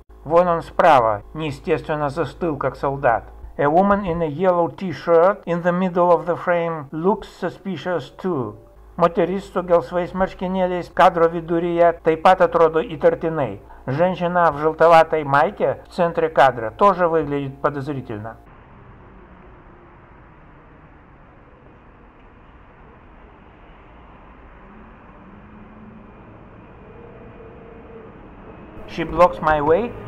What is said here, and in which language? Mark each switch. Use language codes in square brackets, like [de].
[ru] Вон он справа, неестественно застыл, как солдат. [en] A woman in a yellow t-shirt in the middle of the frame looks suspicious too. [lt] Moteris su gelsvais marškinėliais kadro viduryje taip pat atrodo įtartinai. [ru] Женщина в желтоватой майке в центре кадра тоже выглядит подозрительно. [en] She blocks my way.